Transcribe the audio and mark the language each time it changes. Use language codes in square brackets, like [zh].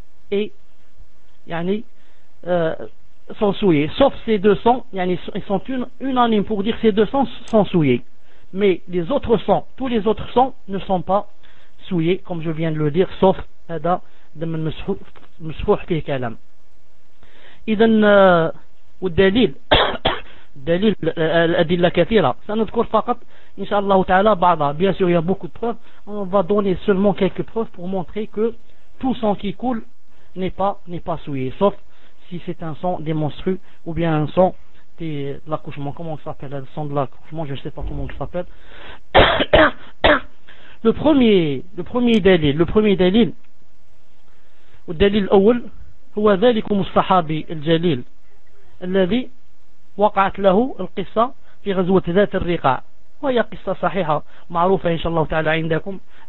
[fr] et yani sont souillés, sauf ces deux sangs, yani ils sont unanimes pour dire que ces deux sangs sont souillés, mais les autres sangs, tous les autres sangs ne sont pas souillés comme je viens de le dire, sauf [ar] hada de mesfouh fi kalam. Idan wa dalil دليل الأدلة كثيرة. سنذكر فقط إن شاء الله تعالى بعضها. [fr] Bien sûr, il y a beaucoup de preuves. On va donner seulement quelques preuves pour montrer que tout sang qui coule n'est pas souillé, sauf si c'est un sang des menstrues ou bien un sang de l'accouchement. Comment ça s'appelle? Le sang de l'accouchement, je ne sais pas comment ça s'appelle. Le premier délil, [ar] والدليل الأول هو ذلك الصحابي الجليل الذي وقعت له القصة في غزوة ذات الرقاع، وهي قصة صحيحة معروفة إن شاء الله تعالى عندكم.